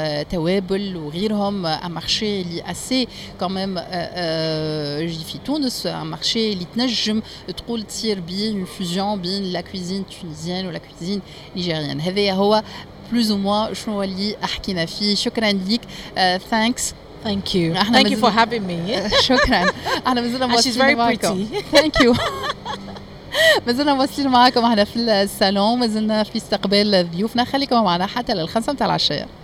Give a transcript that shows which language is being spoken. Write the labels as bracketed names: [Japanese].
[Arabic] توابل وغيرهم ان مارشي اللي اسي كوميم جي في تونس ان مارشي اللي تنجم تقول تصير بيه [French] اون فيوجن بين لا كوزين تونيزيان ولا كوزين نيجيريان [Arabic] هذا هو [French] plus ou moins [Arabic] شنو اللي حكينا فيه شكرا ليك thanks [English] thank you thank you for having me [Arabic] شكرا انا مازال مواصلين [English] she's very pretty thank you [Arabic] مازال مواصلين معاكم احنا في الصالون مازلنا في استقبال ضيوفنا خليكم معنا حتى للخمسة متاع العشيه